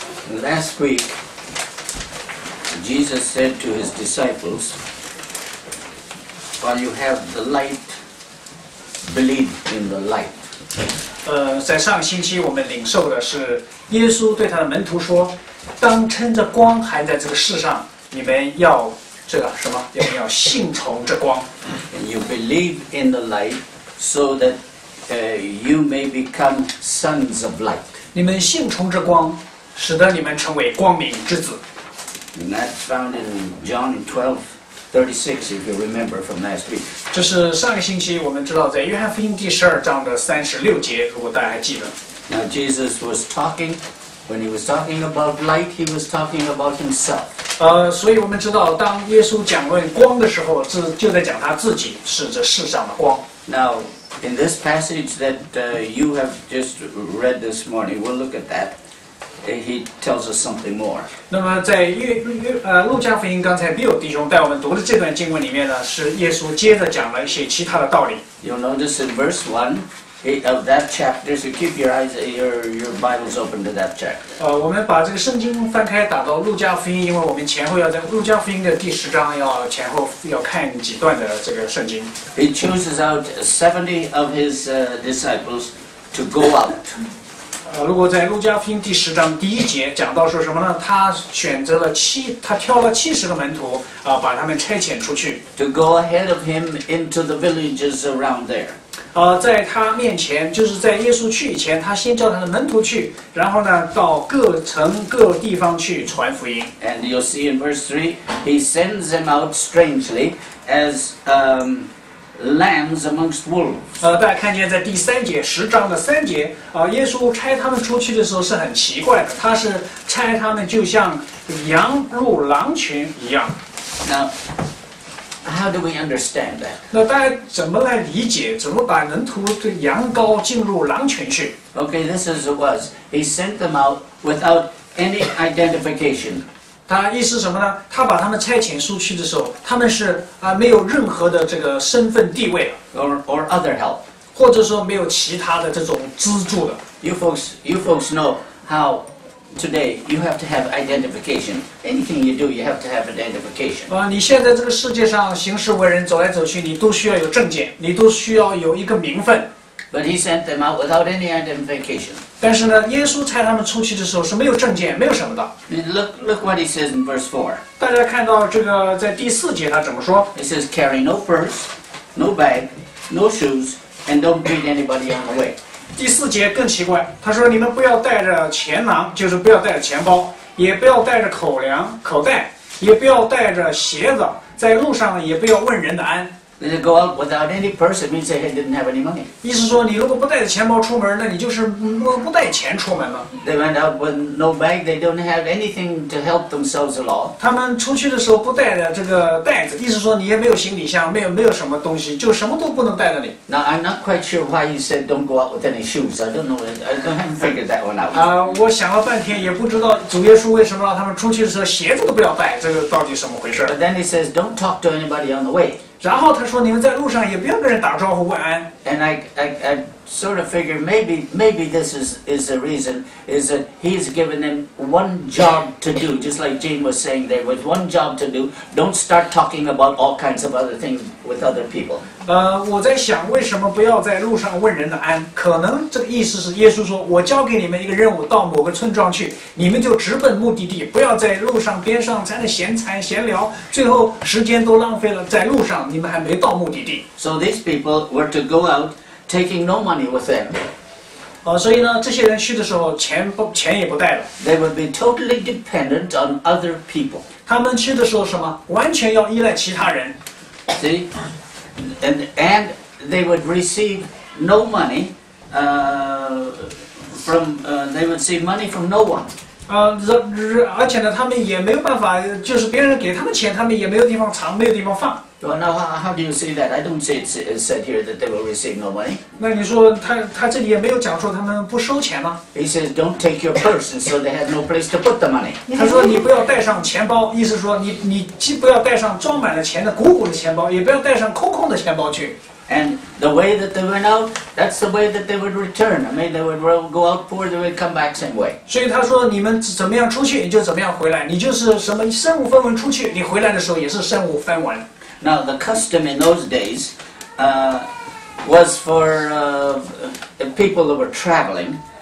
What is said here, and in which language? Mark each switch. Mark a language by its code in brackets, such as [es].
[en] Last week, Jesus said to his disciples, while you have the light, believe in the light. [zh] 在上星期我们领受的是耶稣对他的门徒说，当称着光还在这个世上，你们要这个什么？要不要信从这光？ [en] And you believe in the light so that you may become sons of light. [zh] 你们信从这光，使得你们成为光明之子。 [en] And that's found in John 12:36, if you remember from last week. [zh] 这是上个星期我们知道在约翰福音第十二章的三十六节，如果大家还记得。 [en] Now Jesus was talking, when he was talking about light, he was talking about himself. [zh] 所以我们知道当耶稣讲论光的时候，就在讲他自己是这世上的光。 [en] Now, in this passage that you have just read this morning, we'll look at that. He tells us something more. [zh] 那么在路加福音刚才 Bill 弟兄带我们读的这段经文里面呢，是耶稣接着讲了一些其他的道理。 [en] You'll notice in verse 1 of that chapter, so keep your eyes, your Bibles open to that chapter. [zh] 我们把这个圣经翻开打到路加福音，因为我们前后要在路加福音的第十章要前后要看几段的这个圣经。 [en] He chooses out 70 of his disciples to go out. [zh] 如果在路加福音第十章第一节讲到说什么呢？他选择了他挑了七十个门徒，把他们差遣出去。 [en] To go ahead of him into the villages around there. [zh] 在他面前，就是在耶稣去以前，他先叫他的门徒去，然后呢，到各城各地方去传福音。 [en] And you'll see in verse 3, he sends them out strangely as lambs amongst wolves. [zh] 大家看见在第三节十章的三节，耶稣差他们出去的时候是很奇怪的，他是差他们就像羊入狼群一样。 [en] Now, how do we understand that? [zh] 那大家怎么来理解？怎么把门徒这羊羔进入狼群去 [en] ？Okay, this is it was. He sent them out without any identification. [zh] 他意思什么呢？他把他们差遣出去的时候，他们是没有任何的这个身份地位的 [en] or other help， [zh] 或者说没有其他的这种资助的。 [en] You folks know how today you have to have identification. Anything you do, you have to have identification. [zh] 你现在这个世界上行事为人，走来走去，你都需要有证件，你都需要有一个名分。 [en] But he sent them out without any identification. [zh] 但是呢，耶稣差他们出去的时候是没有证件，没有什么的。 [en] Look what he says in verse 4. [zh] 大家看到这个在第四节他怎么说 [en] ？He says, carry no purse, no bag, no shoes, and don't greet anybody on the way. [zh] 第四节更奇怪，他说你们不要带着钱囊，就是不要带着钱包，也不要带着口袋，也不要带着鞋子，在路上也不要问人的安。 [en] They go out without any purse, means they didn't have any money. [zh] 意思说，你如果不带着钱包出门，那你就是不带钱出门了。 [en] They went out with no bag. They don't have anything to help themselves along. [zh] 他们出去的时候不带着这个袋子，意思说你也没有行李箱，没有什么东西，就什么都不能带着你。 [en] Now I'm not quite sure why he said don't go out with any shoes. I don't know. I haven't figured that one out. [zh] 我想了半天也不知道主耶稣为什么让他们出去的时候鞋子都不要带，这个到底什么回事 [en] ？But then he says, don't talk to anybody on the way. [zh] 然后他说：“你们在路上也不要跟人打招呼问安。” [en] And I sort of figure maybe this is the reason is that he's given them one job to do, just like Jane was saying there was one job to do. Don't start talking about all kinds of other things with other people. [zh] 我在想为什么不要在路上问人的安？可能这个意思是耶稣说我交给你们一个任务，到某个村庄去，你们就直奔目的地，不要在路上边上在那闲谈闲聊，最后时间都浪费了在路上，你们还没到目的地。 [en] So these people were to go out. Taking no money with them. [zh] 所以呢，这些人去的时候，钱也不带了。 [en] They would be totally dependent on other people. [zh] 他们去的时候什么？完全要依赖其他人。 [en] See, and they would receive no money, they would receive money from no one. [zh] 而且呢，他们也没有办法，就是别人给他们钱，他们也没有地方藏，没有地方放。 [en] Well, now how do you say that? I don't say it's said here that they will receive no money. [zh] 那你说他这里也没有讲说他们不收钱吗 [en] ？He says, "Don't take your purse," so they had no place to put the money. [zh] 他说你不要带上钱包，意思说你既不要带上装满了钱的鼓鼓的钱包，也不要带上空空的钱包去。 [en] And The way that they went out, that's the way that they would return. I mean, they would go out poor, they would come back same way. [zh] 所以他说，你们怎么样出去，就怎么样回来。你就是什么身无分文出去，你回来的时候也是身无分文。 [en] Now the custom in those days, was for people that were traveling.